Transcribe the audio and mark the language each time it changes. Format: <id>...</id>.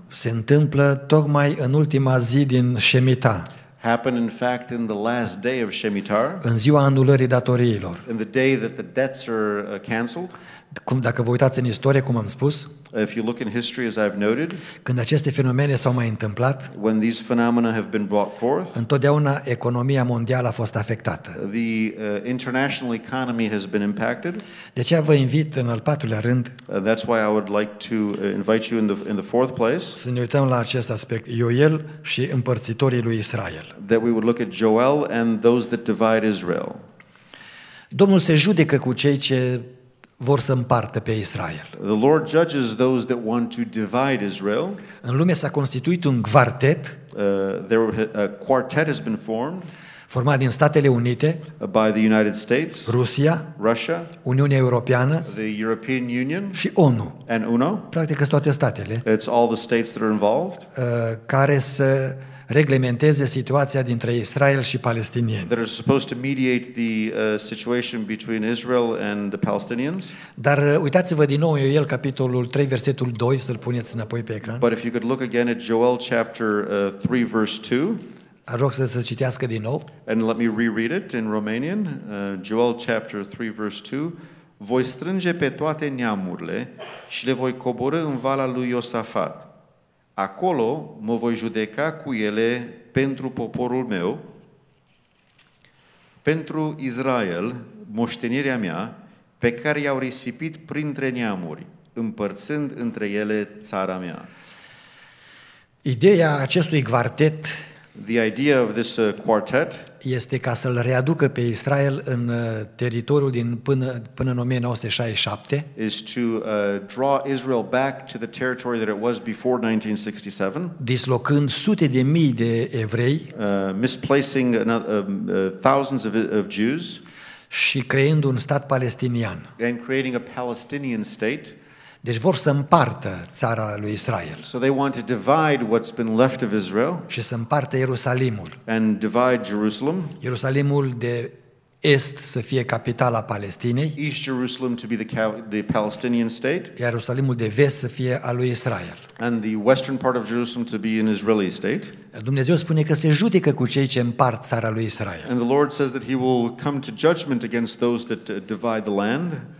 <ro>se întâmplă tocmai în ultima zi din Shemita.</ro> <en>Happen in fact in the last day of Shemitah.</en> <ro>În ziua anulării datoriilor.</ro> <en>In the day that the debts are canceled.</en> <ro>Cum dacă vă uitați în istorie, cum am spus?</ro> <en>If you look in history as I've noted.</en> <ro>Când aceste fenomene s-au mai întâmplat?</ro> <en>When these phenomena have been brought forth.</en> <ro>Întotdeauna economia mondială a fost afectată.</ro> <en>The international economy has been impacted.</en> <ro>De aceea vă invit în al patrulea rând.</ro> <en>That's why I would like to invite you in the fourth place.</en> <ro>Să ne uităm la acest aspect, Ioel și împărțitorii lui Israel.</ro> <en>That we would look at Joel and those that divide Israel.</en> <ro>Domnul se judecă cu cei ce vor să împartă pe Israel.</ro> <en>The Lord judges those that want to divide Israel.</en> <ro>În lume s-a constituit un quartet.</ro> <en>A quartet has been formed.</en> <ro>Format din Statele Unite,</ro> <en>by the United States,</en> <ro>Rusia,</ro> <en>Russia,</en> <ro>Uniunea Europeană,</ro> <en>the European Union,</en> <ro>și ONU.</ro> <en>And UNO.</en> <ro>Practic toate statele.</ro> <en>It's all the states that are involved.</en> <ro>Care să reglementeze situația dintre Israel și palestinieni.</ro> <en>That are supposed to mediate the situation between Israel and the Palestinians.</en> <ro>Dar uitați-vă din nou Ioel capitolul 3 versetul 2, să-l puneți înapoi pe ecran.</ro> <en>But if you could look again at Joel chapter 3 verse 2.</en> <ro>Rog să se citească din nou.</ro> <en>And let me reread it in Romanian. Joel chapter 3 verse 2.</en> <ro>Voi strânge pe toate neamurile și le voi coborâ în vala lui Iosafat. Acolo mă voi judeca cu ele pentru poporul meu, pentru Israel, moștenirea mea, pe care i-au risipit printre neamuri, împărțând între ele țara mea. Ideea acestui quartet,</ro> <en>the idea of this quartet,</en> <ro>este ca să-l readucă pe Israel în teritoriul din până în 1967.</ro> <en>Is to draw Israel back to the territory that it was before 1967.</en> <ro>Dislocând sute de mii de evrei,</ro> <en>misplacing thousands of Jews,</en> <ro>și creând un stat palestinian.</ro> <en>And creating a Palestinian state.</en> <ro>Deci vor să împartă țara lui Israel.</ro> <en>So they want to divide what's been left of Israel.</en> <ro>Și să împartă Ierusalimul.</ro> <en>And divide Jerusalem.</en> <ro>Ierusalimul de est să fie capitala Palestinei.</ro> <en>East Jerusalem to be the Palestinian state.</en> <ro>Ierusalimul de vest să fie al lui Israel.</ro> <en>And the western part of Jerusalem to be an Israeli state.</en> <ro>Dumnezeu spune că se judecă cu cei ce împart țara lui Israel.</ro> <en>And the Lord says that he will come to judgment against those that divide the land.</en>